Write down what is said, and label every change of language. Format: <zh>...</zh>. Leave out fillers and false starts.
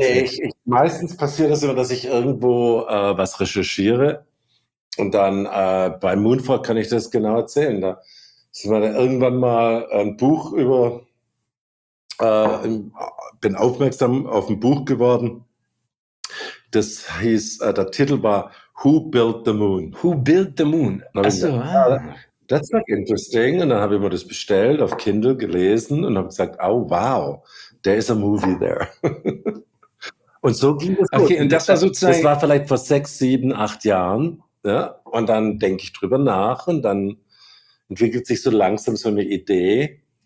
<de>fällt? Nee, meistens passiert das immer, dass ich irgendwo was recherchiere und dann bei Moonfall kann ich das genau erzählen. Da ist mir dann irgendwann mal ein Buch über, bin aufmerksam auf ein Buch geworden, das hieß, der Titel war Who Built the Moon?</de> <en>Who Built the Moon? Achso, that's like interesting.</en> <de>Und dann habe ich mir das bestellt, auf Kindle gelesen und habe gesagt,</de> <en>oh wow, there is a movie there.</en> <de>Und so ging es gut. Okay, und das war sozusagen... Das war vielleicht vor 6, 7, 8 Jahren. Ja? Und dann denke ich drüber nach und dann entwickelt sich so langsam so eine Idee.</de>